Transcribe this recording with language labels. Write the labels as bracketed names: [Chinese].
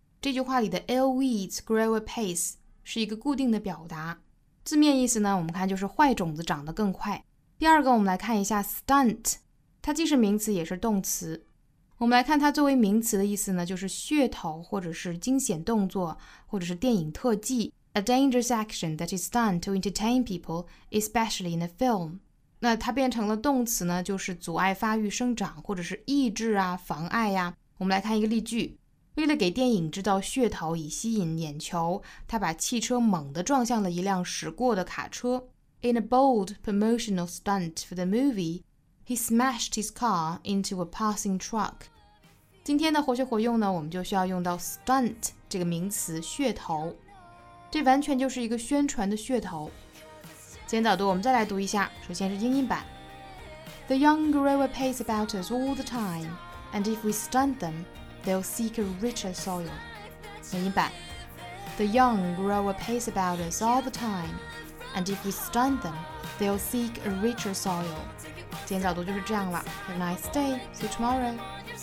[Chinese] 这句话里的 [English] ill weeds grow apace [Chinese] 是一个固定的表达，字面意思呢我们看就是坏种子长得更快。第二个我们来看一下 stunt， 它既是名词也是动词。我们来看它作为名词的意思呢，就是噱头或者是惊险动作或者是电影特技。 [English] A dangerous action that is done to entertain people, especially in a film. [Chinese] 那它变成了动词呢，就是阻碍发育生长或者是抑制啊，妨碍啊。我们来看一个例句，为了给电影制造噱头以吸引眼球，他把汽车猛地撞向了一辆驶过的卡车。 [English] In a bold promotional stunt for the movie, he smashed his car into a passing truck. [Chinese] 今天的活学活用呢，我们就需要用到 stunt 这个名词，噱头。这完全就是一个宣传的噱头。今天早读我们再来读一下，首先是英音版。 [English] The young grow apace about us all the time, and if we stunt them, they'll seek a richer soil. [Chinese] 美音版。 [English] The young grow apace about us all the time, and if we stunt them, they'll seek a richer soil. [Chinese] 今天早读就是这样了。 [English] Have a nice day. See you tomorrow.